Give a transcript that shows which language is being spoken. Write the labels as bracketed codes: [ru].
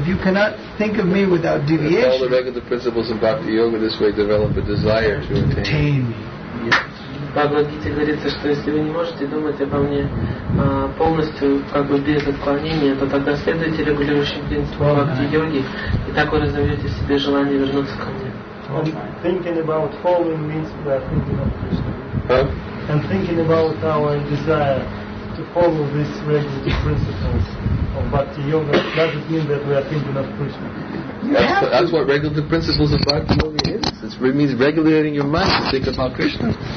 [en] If you cannot think of me without deviation, all the regular principles of bhakti yoga this way develop a desire to attain me. [ru] В Бхагавад-гите говорится, что если вы не можете думать обо мне полностью, как бы без отклонения, то тогда следуйте регулирующим принципам бхакти-йоги, и так вы разовьете в себе желание вернуться ко мне. [en] Thinking about following means we are thinking of Krishna. And thinking about our desire to follow these regular principles of bhakti-yoga doesn't mean that we are thinking of Krishna. That's what regular the principles of bhakti-yoga is. It means regulating your mind to think about Krishna.